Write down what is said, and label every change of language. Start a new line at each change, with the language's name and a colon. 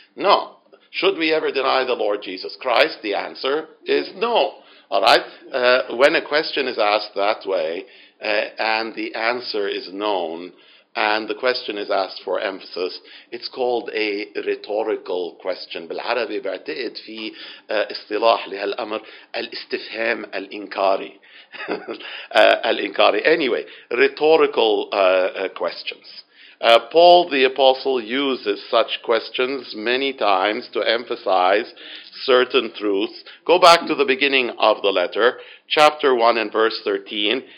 English: No. Should we ever deny the Lord Jesus Christ? The answer is no. All right? When a question is asked that way, and the answer is known, and the question is asked for emphasis, it's called a rhetorical question.
Arabic: بالعربي بعتقد في اصطلاح لهالأمر الاستفهام الإنكاري. الإنكاري.
English: Anyway, rhetorical questions. Paul the Apostle uses such questions many times to emphasize certain truths. Go back to the beginning of the letter, chapter 1 and verse 13.